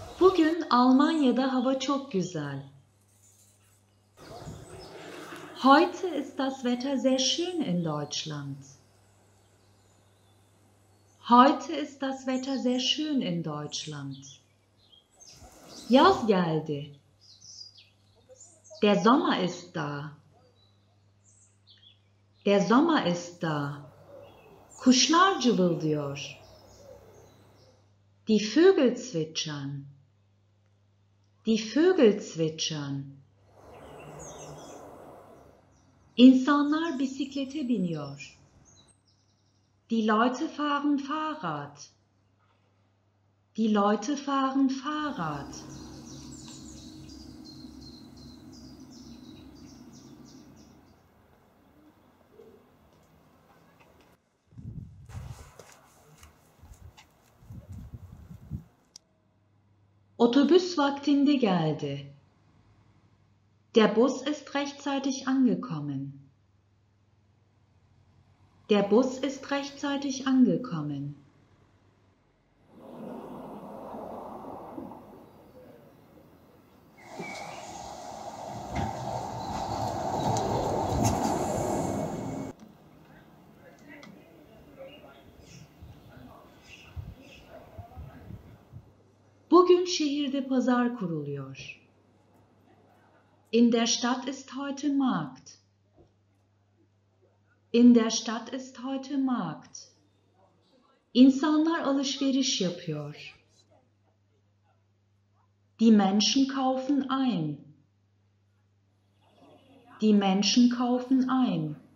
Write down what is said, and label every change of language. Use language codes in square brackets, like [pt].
[tr] Bugün Almanya'da hava çok güzel. [de] Heute ist das Wetter sehr schön in Deutschland. Heute ist das Wetter sehr schön in Deutschland. [tr] Yaz geldi. [de] Der Sommer ist da. Der Sommer ist da. [tr] Kuşlar cıvıldıyor. [de] Die Vögel zwitschern. Die Vögel zwitschern. [tr] İnsanlar bisiklete biniyor. [de] Die Leute fahren Fahrrad. Die Leute fahren Fahrrad. [tr] Otobüs vaktinde geldi. [de] Der Bus ist rechtzeitig angekommen. Der Bus ist rechtzeitig angekommen. [tr] Bugün şehirde pazar kuruluyor. [de] In der Stadt ist heute Markt. In der Stadt ist heute Markt. [tr] İnsanlar alışveriş yapıyor. [de] Die Menschen kaufen ein. Die Menschen kaufen ein.